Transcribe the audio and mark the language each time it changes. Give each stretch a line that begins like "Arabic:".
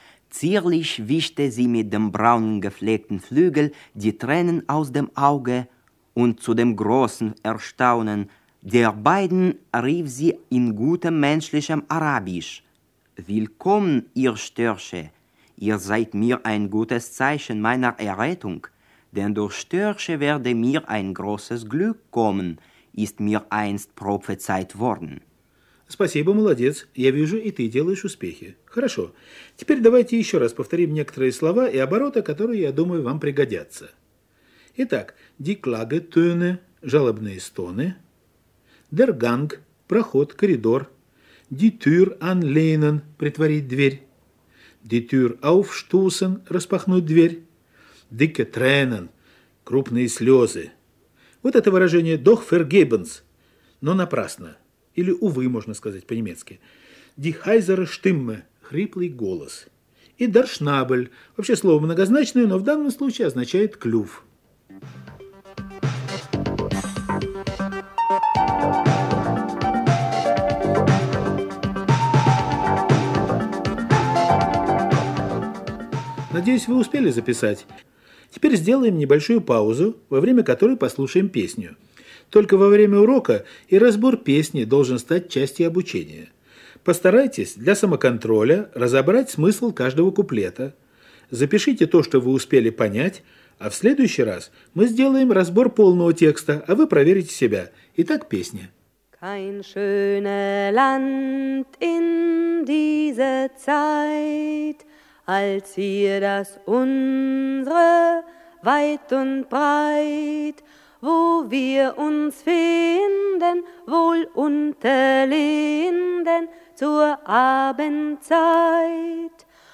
German: Zierlich wischte sie mit dem braunen gefleckten Flügel die Tränen aus dem Auge und zu dem großen Erstaunen der beiden rief sie in gutem menschlichem Arabisch. Willkommen, ihr Störche. Ihr seid mir ein gutes Zeichen meiner Errettung, denn durch Störche werde mir ein großes Glück kommen, ist mir einst prophezeit worden.
Russian: Спасибо, молодец. Я вижу, и ты делаешь успехи. Хорошо. Теперь давайте еще раз повторим некоторые слова и обороты, которые, я думаю, вам пригодятся. Итак,
German: die Klagetöne
Russian: – жалобные стоны.
German: Der Gang –
Russian: проход, коридор.
German: Die Tür anlehnen –
Russian: притворить дверь.
German: Die Tür aufstoßen –
Russian: распахнуть дверь.
German: Dicke Tränen –
Russian: крупные слезы. Вот это выражение
German: «doch vergebens»
Russian: – но напрасно. Или «увы», можно сказать по-немецки.
German: «Die heisere Stimme» –
Russian: хриплый голос. И «der Schnabel» – вообще слово многозначное, но в данном случае означает «клюв». Надеюсь, вы успели записать. Теперь сделаем небольшую паузу, во время которой послушаем песню. Только во время урока и разбор песни должен стать частью обучения. Постарайтесь для самоконтроля разобрать смысл каждого куплета. запишите то, что вы успели понять, а в следующий раз мы сделаем разбор полного текста, а вы проверите себя. Итак, песня.
German: Kein schönes Land in diese Zeit, als ihr das unsere weit und breit, wo wir uns finden, wohl unter Linden zur Abendzeit.